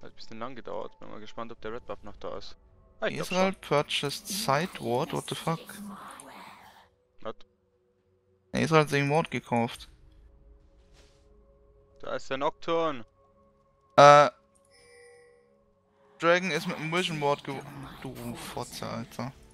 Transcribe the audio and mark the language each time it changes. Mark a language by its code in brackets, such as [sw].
[de] Lang gedauert, bin mal gespannt, ob der Red Buff noch da ist. [en] Ah, Israel purchased Side Ward, what the fuck? What? [de] Israel hat sich einen Ward gekauft. Da ist der Nocturne. Dragon ist mit dem Vision Ward du Fotze, Alter.